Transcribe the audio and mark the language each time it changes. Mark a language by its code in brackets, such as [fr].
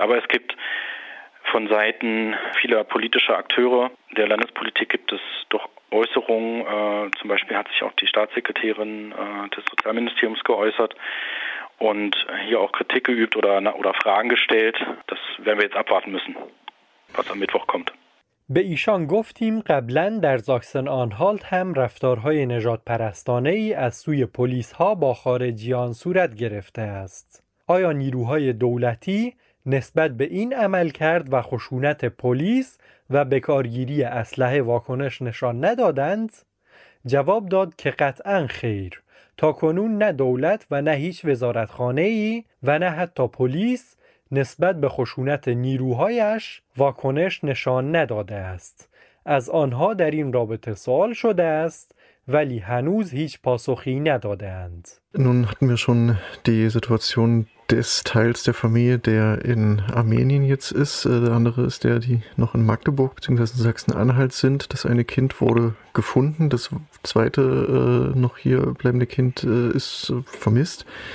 [de] Aber es gibt von Seiten vieler politischer Akteure der Landespolitik gibt es doch Äußerungen. Zum Beispiel hat sich auch die Staatssekretärin des Sozialministeriums geäußert und hier auch Kritik geübt oder Fragen gestellt. Das werden wir jetzt abwarten müssen, was am Mittwoch kommt. [fa] به ایشان گفتیم قبلن در ساکسن آنهالت هم رفتارهای نجات پرستانه ای از سوی پلیس ها با خارجیان صورت گرفته است. آیا نیروهای دولتی نسبت به این عمل کرد و خشونت پلیس و بکارگیری اسلحه واکنش نشان ندادند؟ جواب داد که قطعاً خیر. تا کنون نه دولت و نه هیچ وزارتخانه‌ای و نه حتی پلیس نسبت به خشونت نیروهایش واکنش نشان نداده است. از آنها در این رابطه سوال شده است ولی هنوز هیچ پاسخی ندادند. [de] Nun hatten wir schon die Situation des Teils der Familie, der in Armenien jetzt ist. Der andere ist der, die noch in Magdeburg bzw. Sachsen-Anhalt sind. Das eine Kind wurde gefunden. Das zweite noch hier bleibende Kind ist vermisst.